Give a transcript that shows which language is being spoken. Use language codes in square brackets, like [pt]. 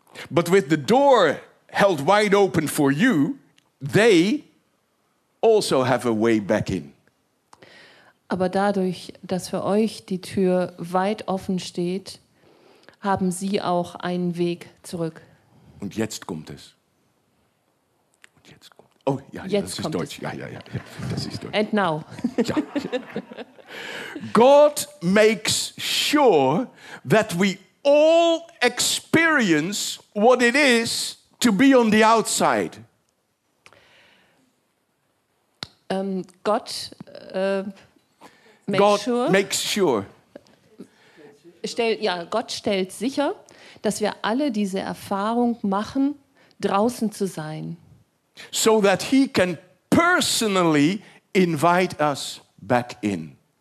[en] But with the door held wide open for you, they also have a way back in. [de] Aber dadurch, dass für euch die Tür weit offen steht, haben sie auch einen Weg zurück. Und jetzt kommt es. Und jetzt kommt. Oh ja, jetzt das ist Deutsch. Ja, das ist Deutsch. [en] And now. [de] Ja. [en] God makes sure that we all experience what it is to be on the outside. [de] Gott stellt sicher, dass wir alle diese Erfahrung machen, draußen zu sein. [en] So that he can personally invite us back in.